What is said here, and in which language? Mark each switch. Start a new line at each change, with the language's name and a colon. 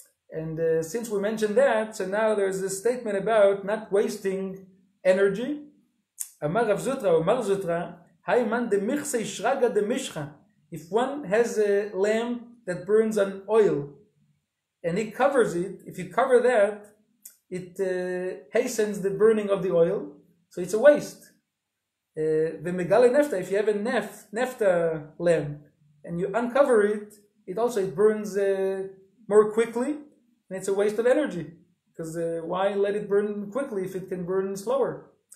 English: And since we mentioned that, so now there's a statement about not wasting energy.
Aramaic: אמר רב זוטרא, אמר זוטרא, היימן דמיכסי שרגא דמישחא.
English: If one has a lamp that burns on oil, and he covers it, if you cover that, it hastens the burning of the oil, so it's a waste.
Aramaic: ומגלה נפטה,
English: if you have a נפטה lamp, and you uncover it, it also burns more quickly, and it's a waste of energy, because why let it burn quickly if it can burn slower?